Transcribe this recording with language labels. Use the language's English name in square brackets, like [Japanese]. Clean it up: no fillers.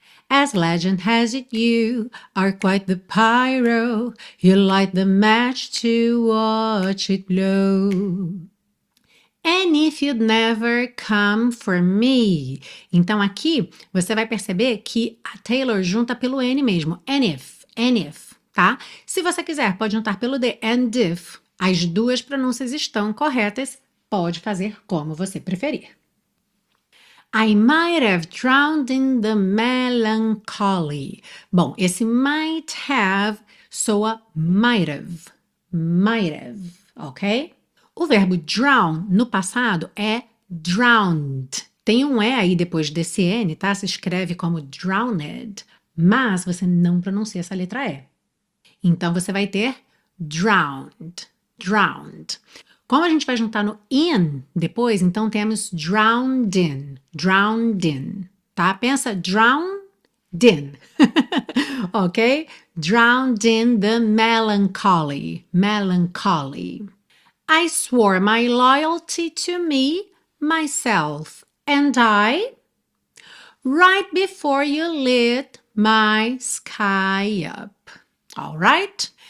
[English] As legend has it, you are quite the pyro. You light the match to watch it blow. And if you'd never come for me. [Portuguese] Então aqui você vai perceber que a Taylor junta pelo N mesmo. [English] And if. [Portuguese] Tá? Se você quiser, pode juntar pelo D, and if. As duas pronúncias estão corretas, pode fazer como você preferir. [English] I might have drowned in the melancholy. [Portuguese] Bom, esse might have soa might have, ok? O verbo drown no passado é drowned. Tem um E aí depois desse N, tá? Se escreve como drowned, mas você não pronuncia essa letra E. Então, você vai ter drowned, drowned. Como a gente vai juntar no in depois, então temos drowned in, tá? Pensa drown Din. Okay? [English] Drowned in the melancholy. Melancholy. I swore my loyalty to me, myself, and I right before you lit my sky up. All right?